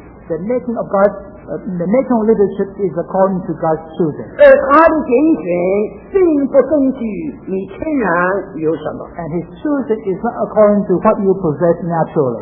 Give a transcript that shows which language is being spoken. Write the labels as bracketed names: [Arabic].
[English] the making of God, the making of leadership is according to God's choosing. [Chinese] 而他的拣选并不根据你天然有什么。 [English] And His choosing is not according to what you possess naturally.